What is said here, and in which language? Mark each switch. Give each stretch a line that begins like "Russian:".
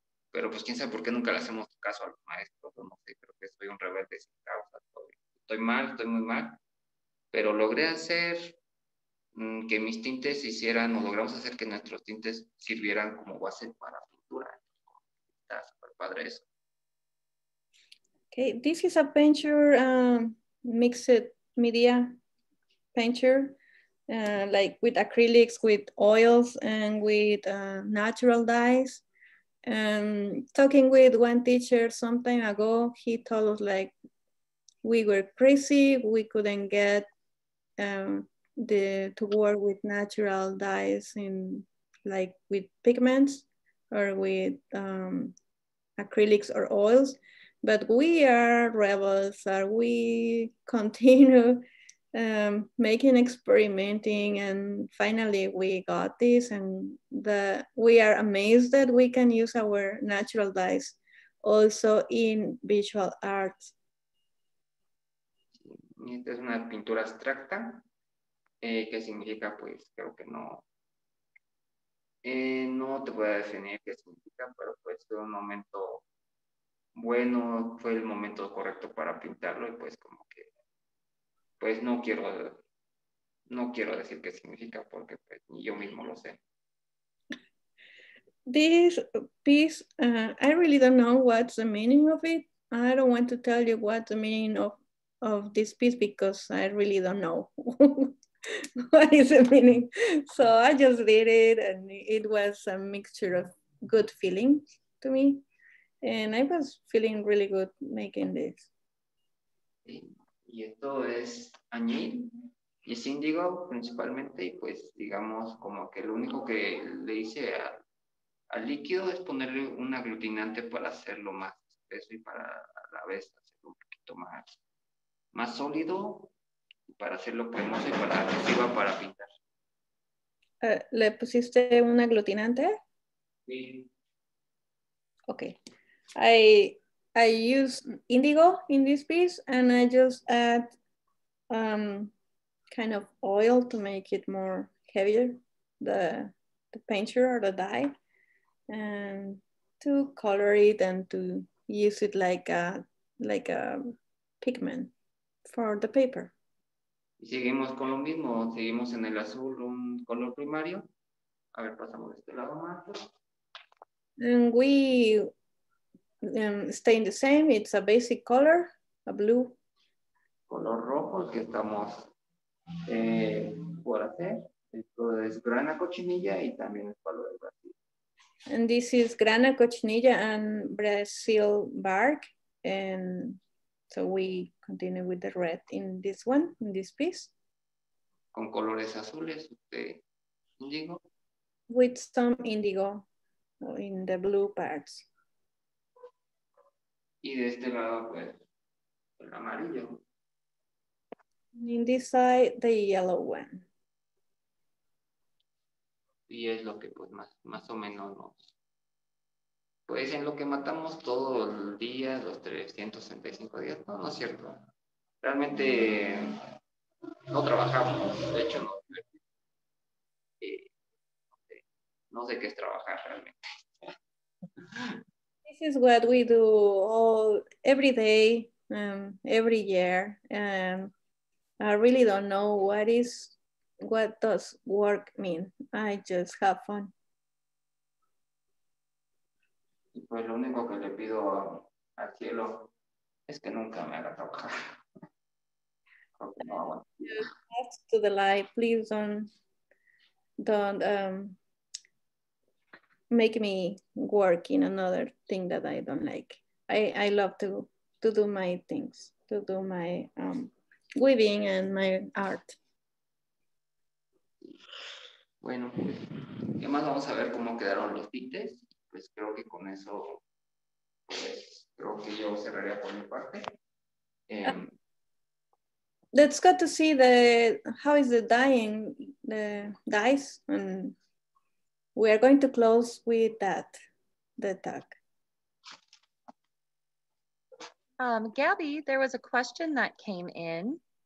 Spanish: Pero pues quién sabe por qué nunca le hacemos caso a los maestros. No sé, creo que soy un rebelde sin causa. Estoy mal, estoy muy mal. Pero logré hacer que mis tintes hicieran, o logramos hacer que nuestros tintes sirvieran como base para pintura. Está súper padre eso.
English: Okay, this is a painter mixed media painter, like with acrylics, with oils, and with natural dyes. Talking with one teacher some time ago, he told us like we were crazy, we couldn't get to work with natural dyes in like with pigments or with acrylics or oils. But we are rebels, or we continue making, experimenting, and finally we got this, and we are amazed that we can use our natural dyes also in visual arts.
Spanish: Esta es una pintura abstracta, que significa, pues, creo que no, no te voy a definir qué significa, pero pues fue un momento bueno, fue el momento correcto para pintarlo, y pues como que, pues no quiero decir qué significa, porque pues, ni yo mismo lo sé.
English: This piece, I really don't know what's the meaning of it. I don't want to tell you what the meaning of this piece, because I really don't know what is the meaning. So I just did it, and it was a mixture of good feelings to me. And I was feeling really good making this.
Spanish: Y esto es añil y es índigo principalmente, y pues digamos como que lo único que le hice al líquido es ponerle un aglutinante para hacerlo más espeso y para a la vez hacerlo un poquito más sólido, para hacerlo cremoso y para que sirva para pintar. ¿Le pusiste un aglutinante? Sí. Okay.
English: I use indigo in this piece, and I just add kind of oil to make it more heavier, the painter or the dye, and to color it and to use it like a pigment for the paper.
Spanish: Y seguimos con lo mismo, seguimos en el azul, un color primario. A ver, pasamos de este lado más.
English: And we staying the same, it's a basic color, a blue.
Spanish: Color rojo, el que estamos por hacer. Esto es grana cochinilla y también es palo de Brasil.
English: And this is grana cochinilla and Brazil bark. And so we continue with the red in this one, in this piece.
Spanish: Con colores azules, indigo.
English: With some indigo in the blue parts.
Spanish: Y de este lado, pues, el amarillo.
English: In this side, the yellow one.
Spanish: Y es lo que, pues, más o menos nos... Pues, en lo que matamos todo el día, los 365 días, no es cierto. Realmente, no trabajamos. De hecho, no sé qué es trabajar realmente.
English: This is what we do all every day, every year. I really don't know what does work mean. I just have fun.
Spanish: Y pues lo único que le pido al cielo es que nunca me haga trabajar.
English: Ask to the light, please don't. Make me work in another thing that I don't like. I love to do my things, to do my weaving and my art.
Spanish: Bueno, ¿qué más? Vamos a ver cómo quedaron los tintes. Pues creo que con eso, creo que yo cerraría por mi parte.
English: Let's go to see how is the dyeing, the dyes, and we are going to close with that, the talk. Gabby, there was a question that came in.